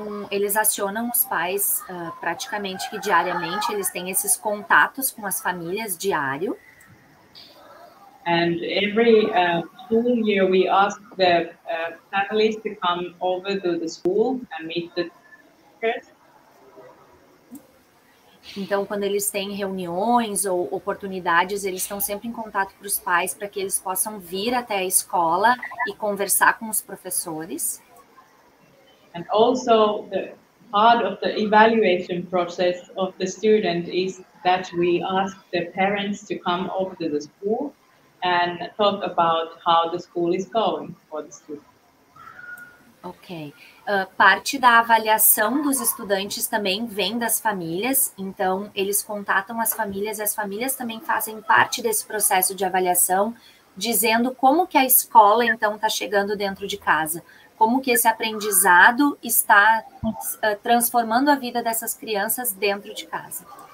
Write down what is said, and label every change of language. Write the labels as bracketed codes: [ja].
[pt] Eles acionam os pais praticamente que diariamente, eles têm esses contatos com as famílias diário. [en] And every school year we ask the families to come over to the school and meet the teachers. [pt] Então, quando eles têm reuniões ou oportunidades, eles estão sempre em contato com os pais para que eles possam vir até a escola e conversar com os professores. [en] And also the part of the evaluation process of the student is that we ask the parents to come over to the school and talk about how the school is going for the student. Ok. [pt] Parte da avaliação dos estudantes também vem das famílias, então eles contatam as famílias e as famílias também fazem parte desse processo de avaliação, dizendo como que a escola, então, está chegando dentro de casa, como que esse aprendizado está transformando a vida dessas crianças dentro de casa.